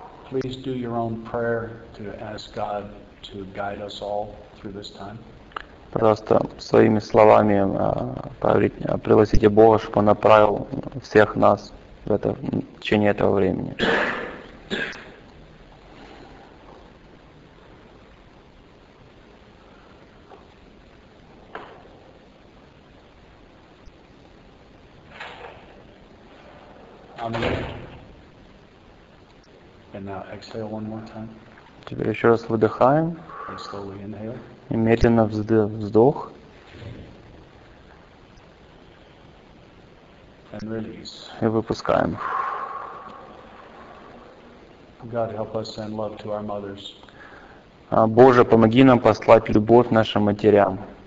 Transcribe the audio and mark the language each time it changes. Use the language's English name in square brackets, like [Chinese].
[English] Please do your own prayer to ask God to guide us all through this time. [Russian] Просто своими словами пригласите Бога, чтобы он направил всех нас в это, в течение этого времени. [English] And now exhale one more time. [Russian] Теперь еще раз выдыхаем. [English] And slowly inhale. [Russian] И медленно вздох. [English] And release. [Russian] И выпускаем. [English] God help us send love to our mothers. [Russian] Боже, помоги нам послать любовь нашим матерям.